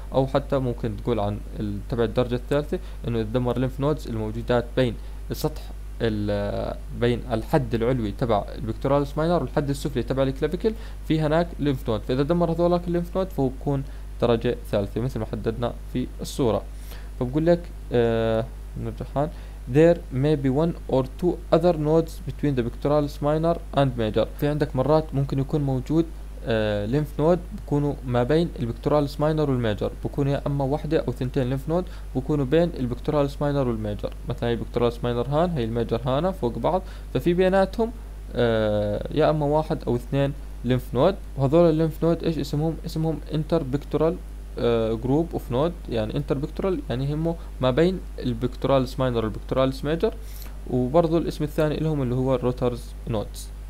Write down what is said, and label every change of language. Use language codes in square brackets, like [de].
[ar] أو حتى ممكن تقول عن تبع الدرجة الثالثة إنه إذا دمر الليمف نودز الموجودات بين السطح بين الحد العلوي تبع البكتوراليس ماينر والحد السفلي تبع الكلافيكل في هناك الليمف نود، فإذا دمر هذولاك الليمف نود فهو بكون درجة ثالثة مثل ما حددنا في الصورة. فبقول لك نرجحان [en] there may be one or two other nodes between the pectoralis minor and major. [ar] في عندك مرات ممكن يكون موجود lymph node بكونوا ما بين البكتوراليس ماينر والميجر، بكونوا يا اما واحدة او ثنتين lymph node بكونوا بين البكتوراليس ماينر والميجر، مثلا هي البكتوراليس ماينر هان هي الميجر هانا فوق بعض، ففي بيناتهم يا اما واحد او اثنين لينف نود، وهذول اللينف نود ايش اسمهم؟ اسمهم انتر بكتورال جروب اوف نود، يعني انتر بكتورال يعني هم ما بين البكتورالس ماينر والبكتورالس ميجر، وبرضه الاسم الثاني لهم اللي هو الروترز نودز.